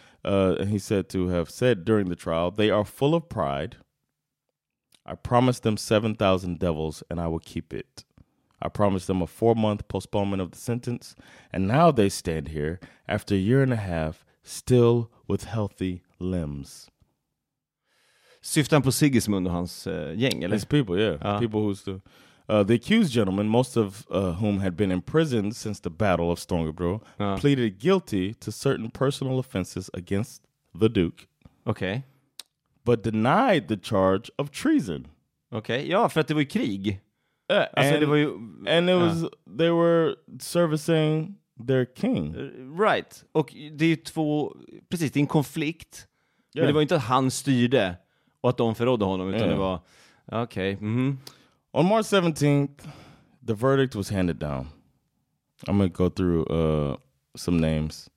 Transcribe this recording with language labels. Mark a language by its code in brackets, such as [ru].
[en] And he said to have said during the trial, "They are full of pride. I promised them 7,000 devils and I will keep it. I promised them a 4-month postponement of the sentence, and now they stand here after a year and a half, still with healthy limbs." [sv] Syftar han på Sigismund och hans gäng, eller? [en] His people, yeah. People who's the accused gentlemen, most of whom had been imprisoned since the Battle of Stångebro, pleaded guilty to certain personal offenses against the Duke. Okay. But denied the charge of treason. [sv] Okay, ja, för att det var ju krig. [en] They were servicing their king. Right. [sv] Och det är ju två, precis, det är en konflikt. Yeah. Men det var inte att han styrde och att de förrådde honom, utan det var, okej. [en] Okay. Mm-hmm. On March 17th, the verdict was handed down. I'm going to go through some names.